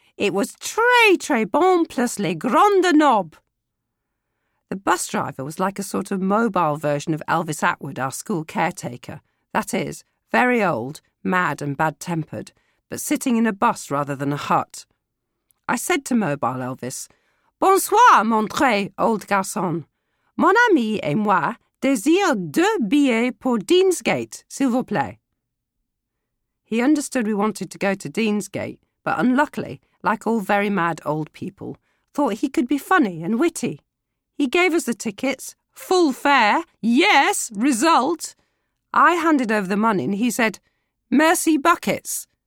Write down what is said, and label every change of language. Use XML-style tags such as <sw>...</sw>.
<en>It was</en> <fr>très très bon plus les grandes nobs.</fr> <en>The bus driver was like a sort of mobile version of Elvis Atwood, our school caretaker. That is, very old, mad and bad-tempered, but sitting in a bus rather than a hut. I said to mobile Elvis,</en> <fr>bonsoir, mon très old garçon. Mon ami et moi désire deux billets pour Deansgate, s'il vous plaît.</fr> <en>He understood we wanted to go to Deansgate, but unluckily, like all very mad old people, thought he could be funny and witty. He gave us the tickets, full fare, yes, result. I handed over the money and he said,</en> <fr>merci</fr> <en>buckets.</en>